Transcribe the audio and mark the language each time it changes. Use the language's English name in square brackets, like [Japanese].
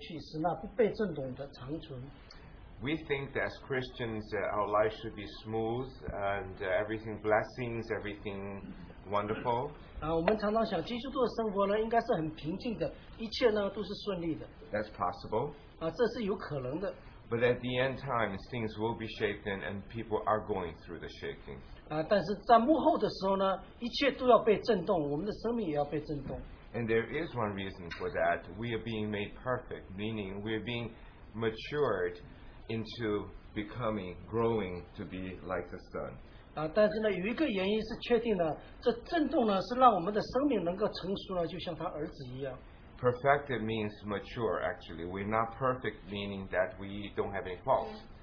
[Chinese] 这一次的话是指明被震动的是受造之物都要挪去，使那不被震动的长存。 [English] We think that as Christians our life should be smooth and everything blessings, everything wonderful. [Chinese] 我们常常想基督徒的生活呢应该是很平静的，一切呢都是顺利的。 [English] That's possible. [Chinese] 这是有可能的。 [English] But at the end times, things will be shaken and people are going through the shaking. [Chinese] 但是在幕后的时候呢，一切都要被震动，我们的生命也要被震动。 [English] And there is one reason for that. We are being made perfect, meaning we are being matured into becoming, growing to be like the Son. [Chinese] 但是呢，有一个原因是确定的，这震动呢，是让我们的生命能够成熟了，就像他儿子一样。 [English] Perfected means mature, actually. We're not perfect, meaning that we don't have any faults.